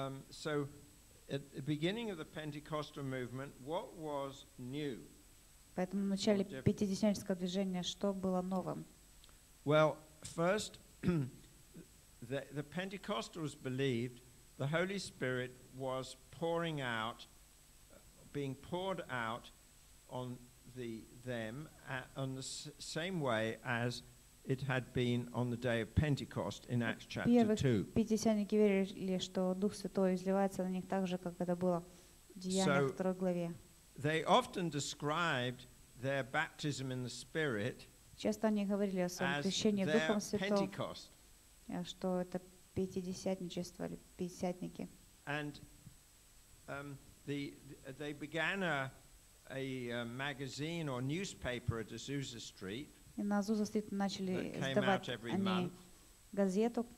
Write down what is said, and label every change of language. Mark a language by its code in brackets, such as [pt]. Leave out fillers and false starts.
[en] So at the beginning of the Pentecostal movement, what was new? [ru] Поэтому в начале пятидесятнического движения что было новым? [en] Well, first, the Pentecostals believed the Holy Spirit was pouring out, being poured out on them on the same way as it had been on the day of Pentecost in Acts chapter 2. [ru] Пятидесятники верили, что Дух Святой изливается на них так же, как это было в Деяниях 2 главе. [en] They often described their baptism in the Spirit as their Pentecost. [ru] Что это пятидесятничество или пятидесятники. [en] And they began a magazine or newspaper at Azusa Street. [ru] И на Азуза Стрит начали издавать они газету